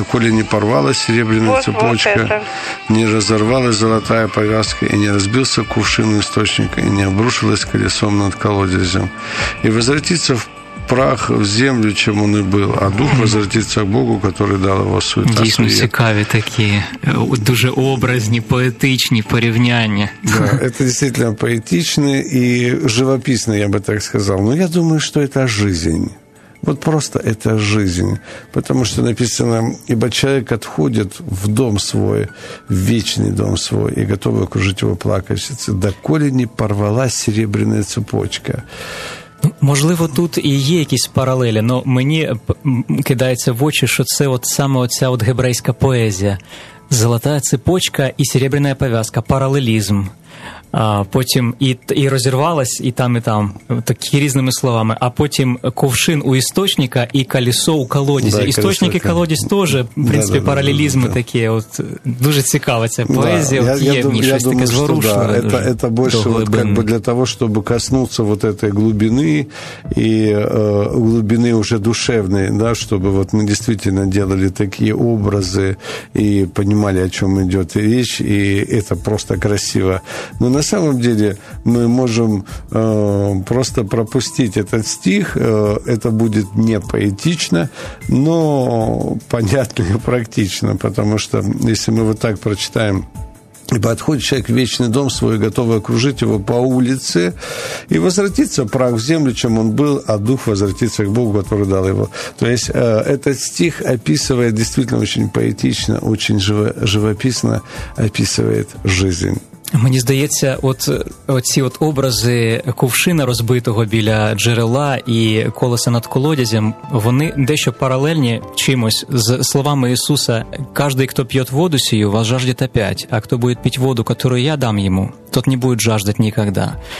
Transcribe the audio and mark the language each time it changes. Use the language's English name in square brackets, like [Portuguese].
[Russian] Доколе не порвалась серебряная вот, цепочка, вот не разорвалась золотая повязка, и не разбился кувшин у источника, и не обрушилась колесом над колодезем. И возвратится в прах, в землю, чем он и был, а дух возвратится к Богу, который дал его суета». [Ukrainian] Дійсно цікаві такі, дуже образні, поетичні порівняння. [Russian] Да, это действительно поэтично и живописно, я бы так сказал. Но я думаю, что это жизнь. Вот просто это жизнь. Потому что написано: «Ибо человек отходит в дом свой, в вечный дом свой, и готовы окружить его плакальщицы, доколе не порвалась серебряная цепочка». [Ukrainian] Можливо, тут і є якісь паралелі, але мені кидається в очі, що це от саме оця от гебрейська поезія. Золота цепочка і серебряна пов'язка, паралелізм. А потім і розірвалась, і там, такі різними словами. А потім ковшин у істочника і колесо у колодязі. Да, істочник колесо, і колодязь теж, в принципі, да, паралелізми да, такі. От, дуже цікава ця поезія, да, от є в ній щось таке зворушливе. Да, це більше от, якби, для того, щоб коснутися [Russian] вот этой [Ukrainian] глибини, і глибини вже душевної, да, щоб вот ми дійсно [Russian] делали [Ukrainian] такі образи і розуміли, о чому йде річ, і це просто красиво. [Russian] Но на самом деле мы можем просто пропустить этот стих, это будет не поэтично, но понятно и практично, потому что если мы вот так прочитаем: «И подходит человек в вечный дом свой, готовый окружить его по улице, и возвратится прах в землю, чем он был, а дух возвратится к Богу, который дал его». То есть этот стих описывает действительно очень поэтично, очень живописно описывает жизнь. [Ukrainian] Мені здається, от оці от образи кувшина розбитого біля джерела і колеса над колодязем, вони дещо паралельні чимось з словами Ісуса: «Каждый, кто п'є воду сію, [Russian] вас жаждет опять, [Ukrainian] а хто буде пить воду, яку я дам йому, тот не буде жаждать ніколи».